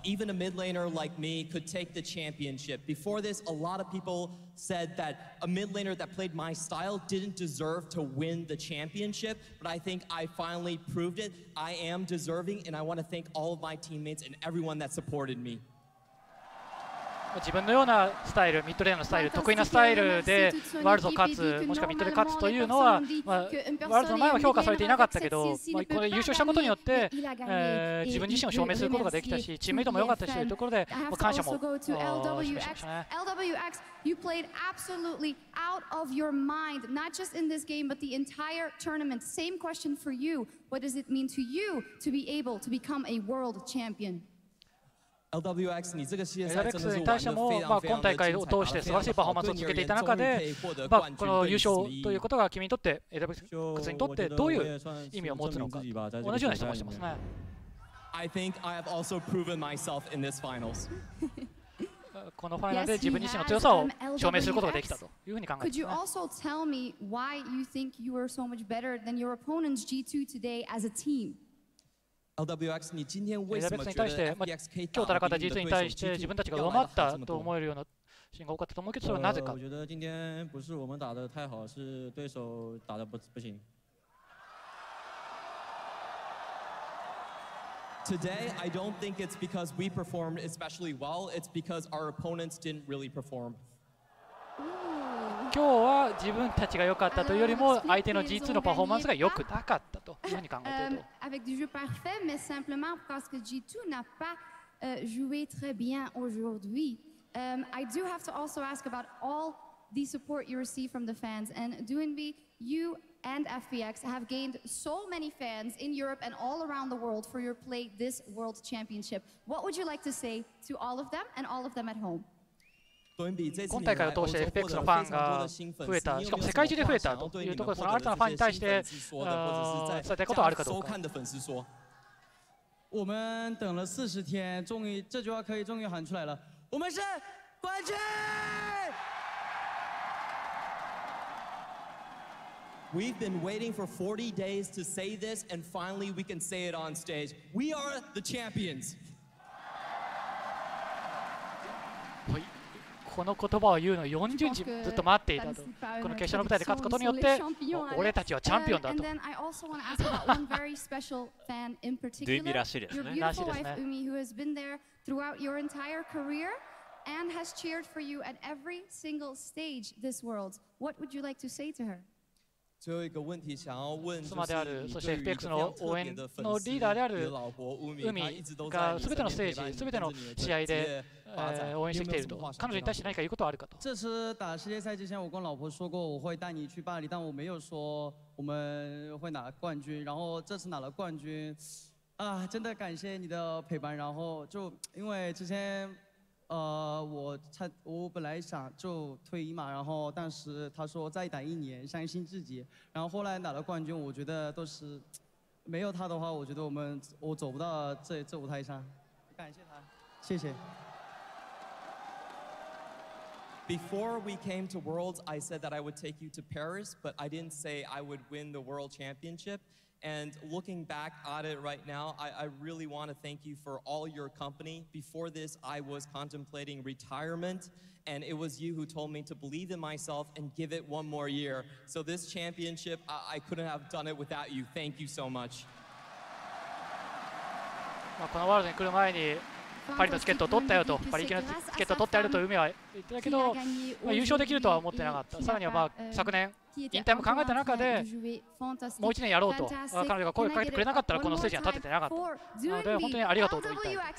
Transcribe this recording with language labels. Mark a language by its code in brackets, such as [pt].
[en] Even a mid laner like me could take the championship. Before this, a lot of people said that a mid laner that played my style didn't deserve to win the championship. But I think I finally proved it. I am deserving, and I want to thank all of my teammates and everyone that supported me. [ja] 自分のようなスタイル、ミッドレーンのスタイル、得意なスタイルでワールド勝つ、もしくはミッドで勝つというのは、まあ、ワールドの前は評価されていなかったけど、まあ、これ優勝したことによって、自分自身を証明することができたし、チームメイトも良かったしというところで、まあ、感謝も示しましたね。 [en] You played absolutely out of your mind, not just in this game, but the entire tournament. Same question for you. What does it mean to you to be able to become a world champion? [ja] LWX に対しても、非常非常まあ、今大会を通して素晴らしいパフォーマンスを続けていた中で、まあ、この優勝ということが君にとって、LWX にとってどういう意味を持つのか、同じような質問をしてますね。 [en] I think I have also proven myself in this finals. [ja] このファイナルで自分自身の強さを証明することができたというふうに考えます、ね。 [en] Could you also tell me why you think you are so much better than your opponent's G2 today as a team? [zh] LWX に今天为什么 [ja] に対して、まあ、今日戦った G2 に対して自分たちが上回ったと思えるようなシーンが多かったと思うけど、それはなぜか。 [zh] 我觉得今天不是我们打得太好，是对手打得不行。 [en] Today I don't think it's because we performed especially well. It's because our opponents didn't really perform. [ja] 今日は自分たちが良かったというよりも相手の G2 のパフォーマンスが良くなかったというふうに考えていると。 [fr] Avec du jeu parfait, mais simplement parce que G2 n'a pas joué très bien aujourd'hui. [en] I do have to also ask about all the support you receive from the fans. And DoNB, you and FBX have gained so many fans in Europe and all around the world for your play this World Championship. What would you like to say to all of them and all of them at home? [ja] 今大会を通して FPX のファンが増えた、しかも世界中で増えたというところで、その新たなファンに対して伝えたいことはあるかどうか。 [zh] 我们等了四十天，终于这句话可以终于喊出来了。我们是冠军。 [en] We've been waiting for 40 days to say this, and finally we can say it on stage. We are the champions. [ja] この言葉を言うのを40日ずっと待っていたと。この決勝の舞台で勝つことによって俺たちはチャンピオンだと。ドゥミらしいですね。らしいですね。 [en] ウミ who has been there throughout your entire career and has cheered for you at every single stage this world. What would you like to say to her? [zh] 最後一個問題想要問 [ja] 妻であるそして FPX の応援のリーダーである海が全てのステージ全ての試合で応援してきていると、彼女に対して何か言うことはあるかと。 [zh] 这次打世界赛之前我跟老婆说过我会带你去巴黎，但我没有说我们会拿冠军，然后这次拿了冠军啊，真的感谢你的陪伴。然后就因为之前我本来想就退役嘛，然后但是他说再打一年相信自己，然后后来拿了冠军，我觉得都是没有他的话，我觉得我走不到这舞台上，感谢他，谢谢。 [en] Before we came to Worlds, I said that I would take you to Paris, but I didn't say I would win the World Championship. And looking back at it right now, I really want to thank you for all your company. Before this, I was contemplating retirement, and it was you who told me to believe in myself and give it one more year. So this championship, I couldn't have done it without you. Thank you so much. [ja] このワールドに来る前にパリのチケットを取ったよと、パリ行きのチケットを取ってやると海は言ったけど、まあ、優勝できるとは思ってなかった。さらには、まあ、昨年引退も考えた中でもう1年やろうと、彼女が声をかけてくれなかったらこのステージには立ててなかったので、本当にありがとうと言いたい。